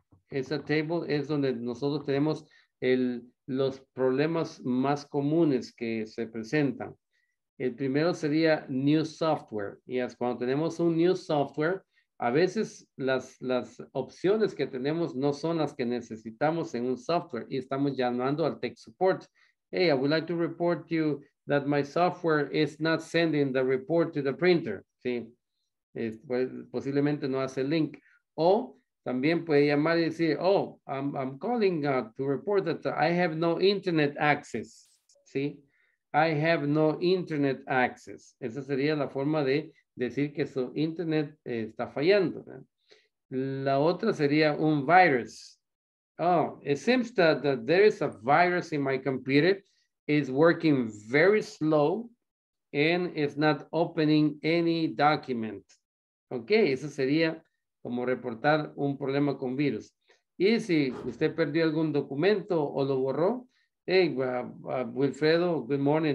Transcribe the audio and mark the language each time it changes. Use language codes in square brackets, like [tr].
[es] Esa table es donde nosotros tenemos los problemas más comunes que se presentan. El primero sería new software. Y es cuando tenemos un new software, a veces las opciones que tenemos no son las que necesitamos en un software y estamos llamando al tech support. [en] Hey, I would like to report to you that my software is not sending the report to the printer. [es] Sí, posiblemente no hace link. O también puede llamar y decir, [en] oh, I'm calling to report that I have no internet access. Sí, I have no internet access. [es] Esa sería la forma de decir que su internet está fallando. La otra sería un virus. [en] Oh, it seems that there is a virus in my computer. is working very slow and is not opening any document. [es] Okay, eso sería como reportar un problema con virus. Y si usted perdió algún documento o lo borró, [en] hey, Wilfredo, good morning.